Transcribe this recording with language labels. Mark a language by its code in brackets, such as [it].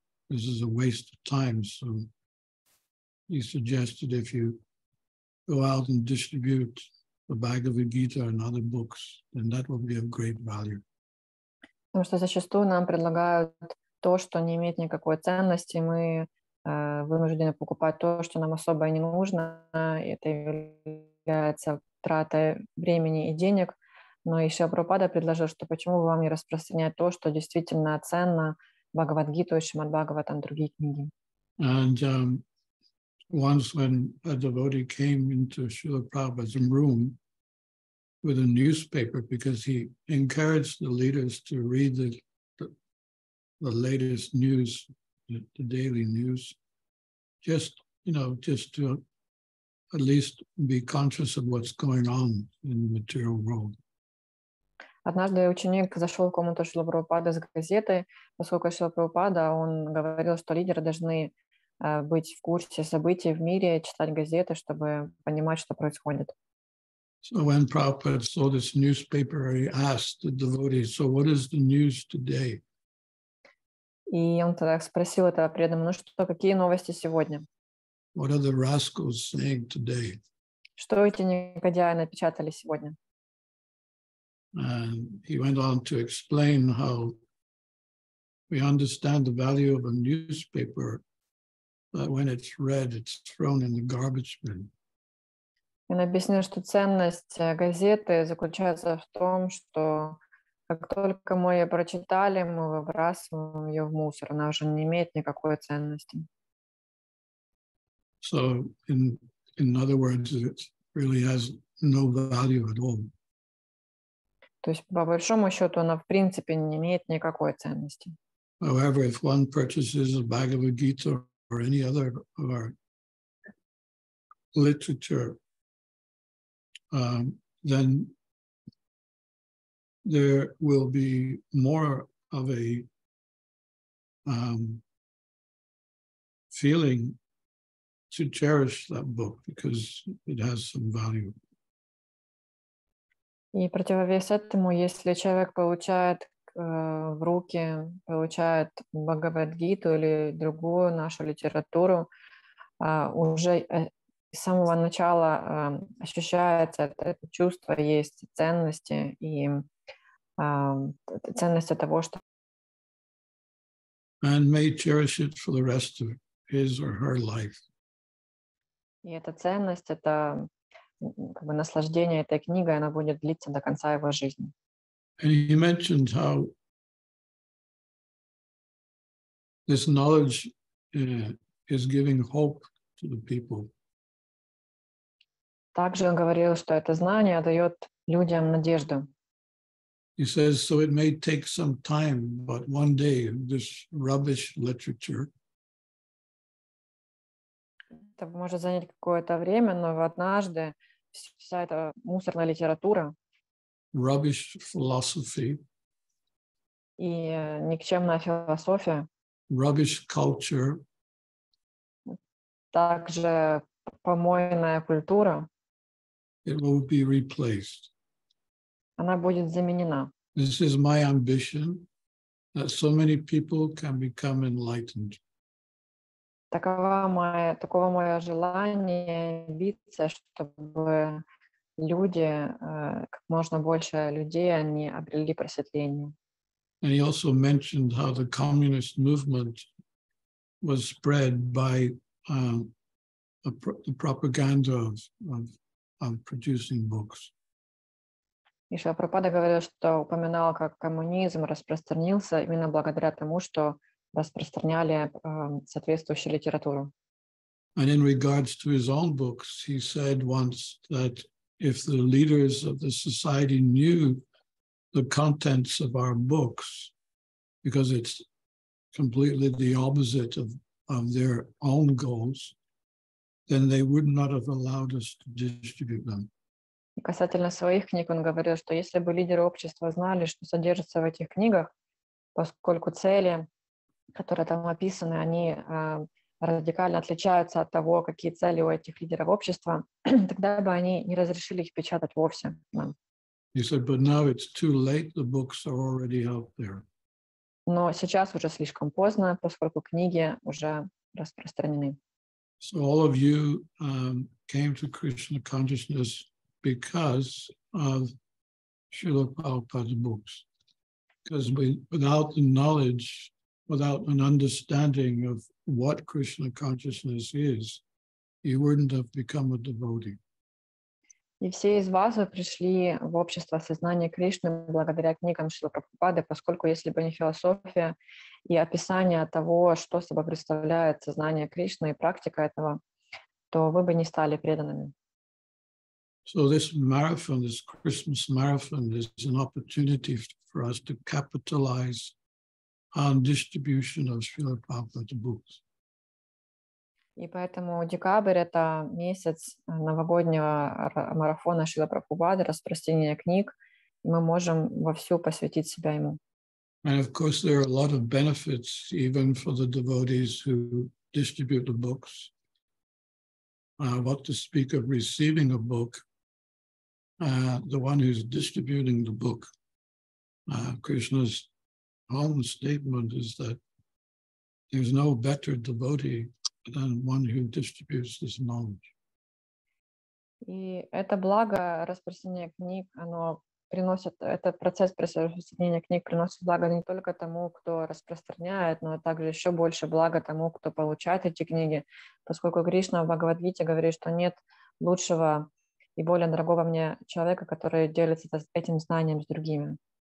[en] This is a waste of time. So he suggested if you go out and distribute the Bhagavad Gita and other books, then that will be of great value. [ru] Потому что зачастую нам предлагают то, что не имеет никакой ценности, мы вынуждены покупать то, что нам особо не нужно, и это является тратой времени и денег. Но Шрила Прабхупада предложил, что почему бы вам не распространять то, что действительно ценно, Бхагавад-гиту, Шримад Бхагаватам, другие книги. [en] And once when a devotee came into Srila Prabhupada's room with a newspaper, because he encouraged the leaders to read the latest news, the daily news, just to at least be conscious of what's going on in the material world. [ru] Однажды ученик зашел в комнату Шрилы Прабхупады с газетой, поскольку Шрила Прабхупада, он говорил, что лидеры должны быть в курсе событий в мире, читать газеты, чтобы понимать, что происходит. [en] So when Prabhupada saw this newspaper, he asked the devotees, so what is the news today? [ru] И он тогда спросил этого преданного, ну что, какие новости сегодня? [en] What are the rascals saying today? [ru] Что эти негодяи напечатали сегодня? [en] And he went on to explain how we understand the value of a newspaper, but when it's read, it's thrown in the garbage bin. [ru] Он объяснил, что ценность газеты заключается в том, что как только мы ее прочитали, мы выбрасываем ее в мусор. Она уже не имеет никакой ценности. [en] So, in other words, it really has no value at all. [ru] То есть, по большому счету, она в принципе не имеет никакой ценности. [en] However, if one purchases a Bhagavad Gita or any other of our literature, then there will be more of a feeling to cherish that book because it has some value. [ru] И противовес этому, если человек получает в руки, получает Бхагавад-гиту или другую нашу литературу, уже с самого начала ощущается это чувство, есть ценности и ценность того, что [en] and may cherish it for the rest of his or her life. [ru] И эта ценность, это как бы наслаждение этой книгой, она будет длиться до конца его жизни. [en] And he mentioned how this knowledge is giving hope to the people. [ru] Также он говорил, что это знание дает людям надежду. [en] He says, so it may take some time, but one day this rubbish literature. [ru] Это может занять какое-то время, но однажды вся эта мусорная литература. [en] Rubbish philosophy. [ru] И никчемная философия. [en] Rubbish culture. [ru] Также помойная культура. [en] It will be replaced. [ru] Она будет заменена. [en] This is my ambition, that so many people can become enlightened. [ru] Такого мое желание, биться, чтобы люди, как можно больше людей, они обрели просветление. [en] And he also mentioned how the communist movement was spread by the propaganda of producing books. [ru] И Шрила Прабхупада говорил, что упоминал, как коммунизм распространился именно благодаря тому, что распространяли соответствующую литературу. [en] And in regards to his own books, he said once that if the leaders of the society knew the contents of our books, because it's completely the opposite of their own goals, then they would not have allowed us to distribute them. [ru] Касательно своих книг, он говорил, что если бы лидеры общества знали, что содержится в этих книгах, поскольку цели, которые там описаны, они радикально отличаются от того, какие цели у этих лидеров общества, тогда бы они не разрешили их печатать вовсе. [en] He said, but now it's too late, the books are already out there. [ru] Но сейчас уже слишком поздно, поскольку книги уже распространены. [en] So all of you came to Krishna consciousness because of Srila Prabhupada's books. Because without the knowledge, without an understanding of what Krishna consciousness is, you wouldn't have become a devotee. [ru] И все из вас пришли в общество сознания Кришны благодаря книгам Шрилы Прабхупады, поскольку если бы не философия и описание того, что собой представляет сознание Кришны и практика этого, то вы бы не стали преданными. [en] So this marathon, this Christmas marathon, is an opportunity for us to capitalize on distribution of Srila Prabhupada's books. [ru] И поэтому декабрь — это месяц новогоднего марафона Шрилы Прабхупады, распространения книг, и мы можем вовсю посвятить себя ему. [en] And of course there are a lot of benefits even for the devotees who distribute the books. What to speak of receiving a book, the one who's distributing the book, Krishna's own statement is that there's no better devotee than one who distributes this knowledge. [ru] И это благо распространения книг, оно приносит, этот процесс распространения книг приносит благо не только тому, кто распространяет, но также еще больше блага тому, кто получает эти книги, поскольку Кришна в Бхагавад-гите говорит, что нет лучшего и более дорогого мне человека, который делится этим знанием с другими.